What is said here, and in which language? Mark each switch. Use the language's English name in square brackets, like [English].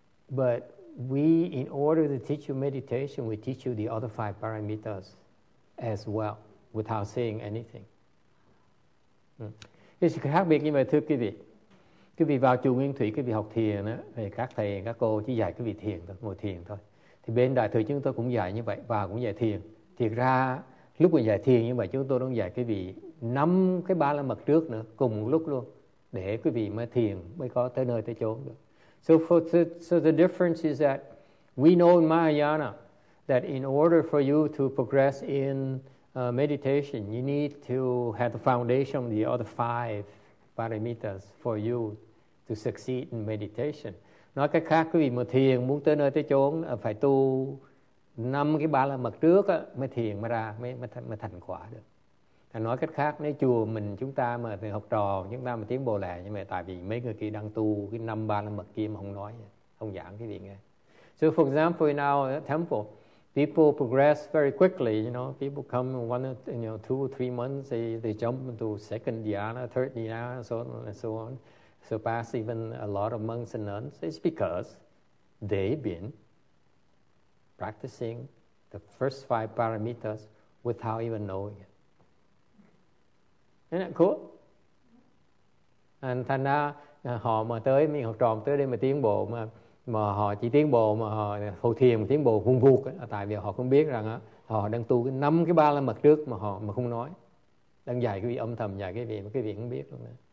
[English] But we, in order to teach you meditation, we teach you the other five parameters as well, without saying anything. [Vietnamese] Cái sự khác biệt như vậy thưa quý vị vào chùa nguyên thủy, quý vị học thiền á, thì các thầy các cô chỉ dạy quý vị thiền thôi, ngồi thiền thôi. Thì bên đại thừa chúng tôi cũng dạy như vậy, và cũng dạy thiền. Thiệt ra lúc mà dạy thiền như vậy, chúng tôi đang dạy quý vị năm cái ba la mật trước nữa cùng một lúc luôn, để quý vị mới thiền mới có tới nơi tới chốn được. [English] So the difference is that we know in Mahayana that in order for you to progress in meditation, you need to have the foundation of the other five parameters for you to succeed in meditation. [Vietnamese] Nói cách khác, quý vị mà thiền muốn tới nơi tới chốn phải tu năm cái ba la mật trước á, mới thiền mới ra mới thành quả được. Thành nói cách khác, nếu chùa mình chúng ta mà thì học trò chúng ta mà tiến bộ lẹ như vậy, tại vì mấy người kia đang tu cái năm ba la mật kia mà không nói, không giảng cái gì nghe. [English] So for example, in our temple, people progress very quickly, you know. People come in one, you know, two or three months, they jump into second dhyana, third dhyana, so on, surpass even a lot of monks and nuns. It's because they've been practicing the first five parameters without even knowing it. Isn't that cool? [Vietnamese] And thành ra họ mà tới, mình học trò tới đây mà tiến bộ mà họ chỉ tiến bộ mà họ phụ thiền tiến bộ vùng vụt, tại vì họ không biết rằng họ đang tu cái năm cái ba la mật trước mà họ mà không nói, đang dạy cái vị âm thầm, dạy cái vị mà cái vị không biết luôn đó.